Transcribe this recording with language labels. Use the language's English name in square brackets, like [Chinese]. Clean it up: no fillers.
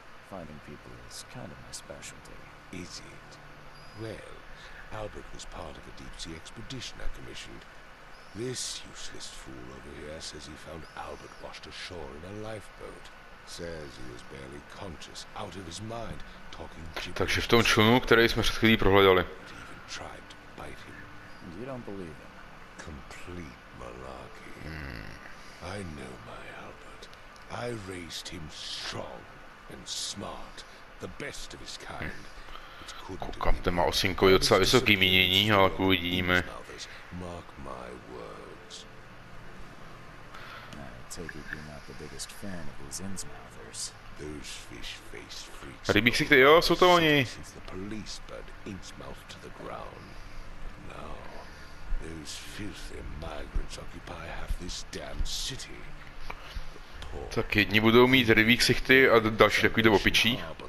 [English] Finding people is kind of my specialty. Is it? Well, Albert was part of a deep sea expedition I commissioned. This useless fool over here says he found Albert washed ashore in a lifeboat. Says he was barely conscious, out of his mind, talking gibberish. [Czech] Takže v tom člunu, který jsme před chvílí prohledali. [English] He even tried to bite him. And you don't believe him. Complete malarkey. I know my Albert. I raised him strong and smart, the best of his kind. [Czech] Koukám, ten má osinkový docela vysoký mínění, ale uvidíme. [English] Mark my words. I take it you're not the biggest fan of these Innsmouthers. Those fish face freaks. [Czech] Rybí ksichty, jo, jsou to oni. [English] Since the police bird Innsmouth to the ground. Now, those filthy migrants occupy half this damn city. [Czech] Tak jedni budou mít rybí ksichty a další takový to opičí.